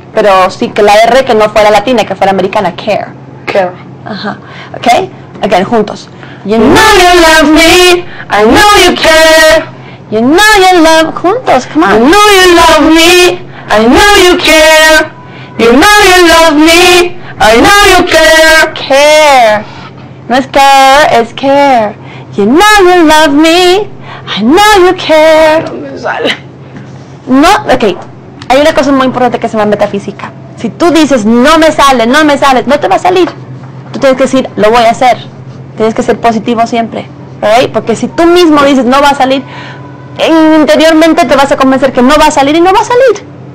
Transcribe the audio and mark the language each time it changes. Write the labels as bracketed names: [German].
[Spanish] Pero sí, que la R que no fuera latina, que fuera americana. Care. [English] Care. [Spanish] Ajá. Uh-huh. Ok. Again, juntos. [English] You know you love me, I know you care. You know you love, juntos, come on. You know you love me, I know you care. You know you love me, I know you care. [Spanish] Care. No es care, es care. [English] You know you love me, I know you care. [Spanish] No me sale. No, ok. Hay una cosa muy importante que se llama metafísica. Si tú dices, no me sale, no me sale, no te va a salir. Tú tienes que decir, lo voy a hacer. Tienes que ser positivo siempre, ¿verdad? Porque si tú mismo dices, no va a salir, interiormente te vas a convencer que no va a salir y no va a salir.